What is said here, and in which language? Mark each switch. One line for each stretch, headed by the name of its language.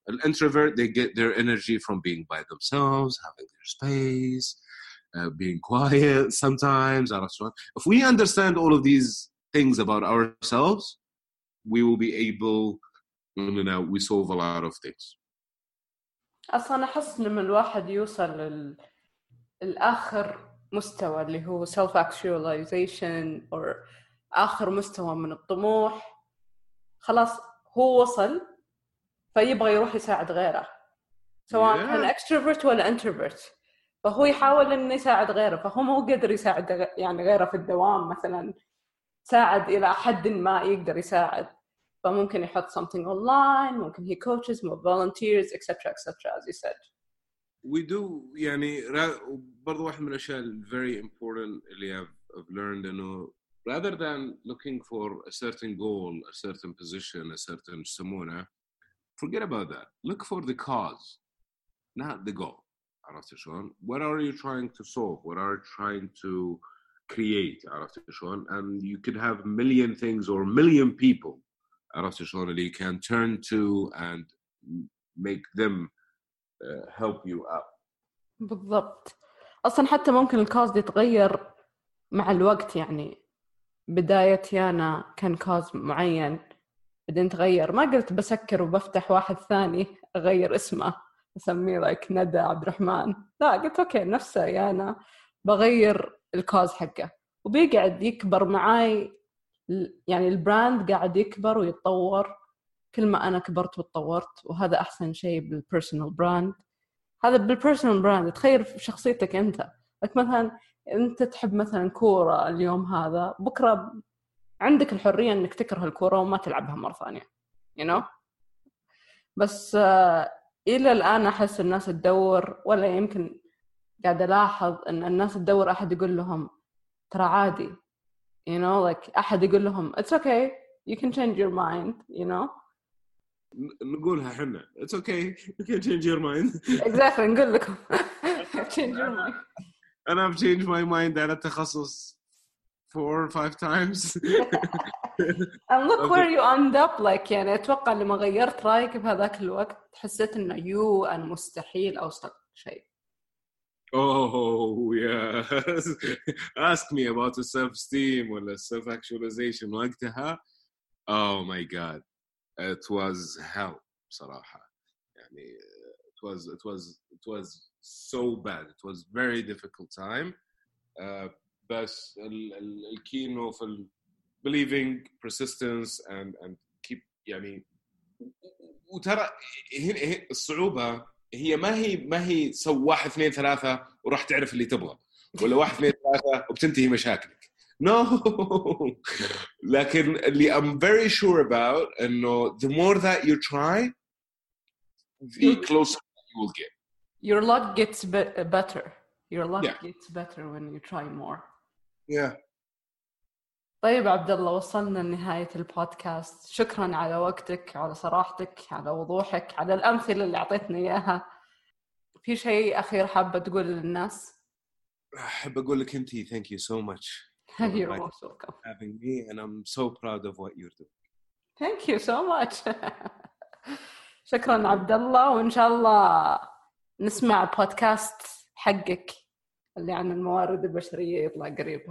English: An introvert, they get their energy from being by themselves, having their space, being quiet sometimes. If we understand all of these things about ourselves, we will be able, you know, we solve a lot of things.
Arabic: أصلاً أحس إن الواحد يوصل للآخر مستوى اللي هو
English: self-actualization or
Arabic: آخر مستوى من الطموح, خلاص هو وصل فيبغى يروح يساعد غيره سواء كان اكستروفرت ولا انتروفرت، فهو يحاول ان يساعد غيره، فهو مو قادر يساعد يعني غيره في الدوام مثلا، ساعد الى حد ما يقدر يساعد، فممكن يحط
English: something online،
Arabic: ممكن
English: he coaches more volunteers etc etc as you said. We do
Arabic: يعني برضو واحد من الأشياء
English: very important
Arabic: اللي
English: I've learned
Arabic: إنه
English: rather than looking for a certain goal, a certain position, a certain someone, forget about that. Look for the cause, not the goal.
Arabic: عرفت شلون؟
English: What are you trying to solve? What are you trying to create?
Arabic: عرفت شلون؟
English: And you could have million things or million people.
Arabic: عرفت شلون اللي
English: you can turn to and make them help you out.
Arabic: بالضبط. أصلاً حتى ممكن الكاز يتغير مع الوقت، يعني بداية يانا كان كاز معين بعدين تغير، ما قلت بسكر وبفتح واحد ثاني أغير اسمه أسميه لايك ندى عبد الرحمن، لا قلت أوكي نفسه يانا بغير الكاز حقه، وبيقعد يكبر معاي يعني البراند قاعد يكبر ويتطور كل ما أنا كبرت وتطورت، وهذا أحسن شيء بالبرسونال براند. هذا بالبرسونال براند تخير في شخصيتك أنت، لك مثلا أنت تحب مثلا كورة اليوم هذا، بكرة عندك الحرية أنك تكره الكورة وما تلعبها مرة ثانية،
English: you know.
Arabic: بس إلى الآن أحس الناس تدور، ولا يمكن قاعد ألاحظ أن الناس تدور أحد يقول لهم ترى عادي،
English: you know, like
Arabic: أحد يقول لهم
English: it's okay, you can change your mind, you know.
Arabic: نقولها حنا
English: it's okay, you can change your mind. Exactly,
Arabic: نقول لكم
English: change your mind.
Arabic: أنا
English: I've changed my mind
Arabic: على التخصص
English: 4 or 5 times. And look where you end up. Like,
Arabic: يعني أتوقع لما غيرت رأيك بهذاك الوقت حسيت إنه
English: you and
Arabic: مستحيل أوصل شيء.
English: Oh yeah. Ask me about the self-esteem or the self-actualization.
Arabic: وقتها
English: oh my god, it was hell
Arabic: صراحة. يعني
English: it was so bad. It was very difficult time.
Arabic: بس ال
English: key
Arabic: إنه في
English: believing, persistence and keep.
Arabic: يعني وترى هي الصعوبة هي ما هي سو 1 2 3 وراح تعرف اللي تبغى، ولا 1 2 3 وبتنتهي مشاكلك.
English: No.
Arabic: لكن اللي
English: I'm very sure about
Arabic: إنه
English: the more that you try, the closer you will get. Your luck gets better. Your luck gets better when you try more. Yeah.
Arabic: طيب عبد الله، وصلنا لنهاية البودكاست. شكرا على وقتك، على صراحتك، على وضوحك، على الأمثلة اللي أعطيتنا إياها. في شيء أخير حابة تقول للناس؟ أحب أقول لك أنتي
English: thank you so much. You're most welcome. Having me and I'm so proud of what you're doing. Thank you so much.
Arabic: شكرا عبد الله، وإن شاء الله نسمع بودكاست حقك اللي عن الموارد البشرية يطلع قريب.